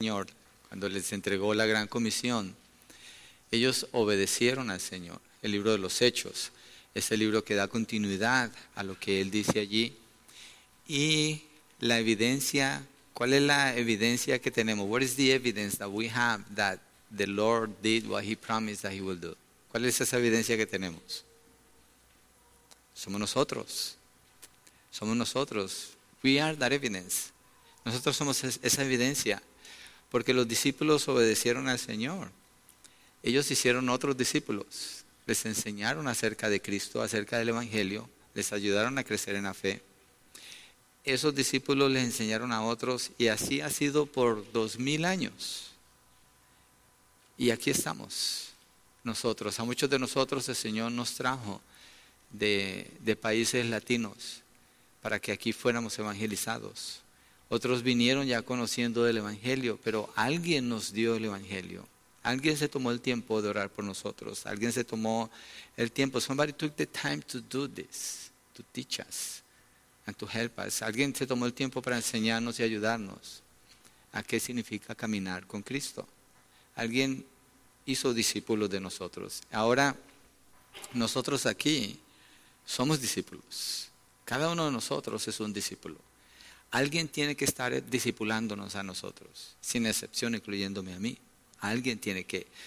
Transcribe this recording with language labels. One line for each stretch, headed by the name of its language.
Spanish: Señor, cuando les entregó la gran comisión, ellos obedecieron al Señor. El libro de los Hechos es el libro que da continuidad a lo que Él dice allí. Y la evidencia, ¿cuál es la evidencia que tenemos?
English: What is the evidence that we have that the Lord did what He promised that He will do?
Spanish: ¿Cuál es esa evidencia que tenemos? Somos nosotros. Somos nosotros.
English: We are that evidence.
Spanish: Nosotros somos esa evidencia. Porque los discípulos obedecieron al Señor. Ellos hicieron otros discípulos. Les enseñaron acerca de Cristo, acerca del Evangelio. Les ayudaron a crecer en la fe. Esos discípulos les enseñaron a otros. Y así ha sido por 2000 años. Y aquí estamos nosotros. A muchos de nosotros el Señor nos trajo de países latinos para que aquí fuéramos evangelizados. Otros vinieron ya conociendo del Evangelio, pero alguien nos dio el Evangelio. Alguien se tomó el tiempo de orar por nosotros. Alguien se tomó el tiempo.
English: Somebody took the time to do this, to teach us and to help us.
Spanish: Alguien se tomó el tiempo para enseñarnos y ayudarnos a qué significa caminar con Cristo. Alguien hizo discípulos de nosotros. Ahora, nosotros aquí somos discípulos. Cada uno de nosotros es un discípulo. Alguien tiene que estar discipulándonos a nosotros, sin excepción, incluyéndome a mí. Alguien tiene que.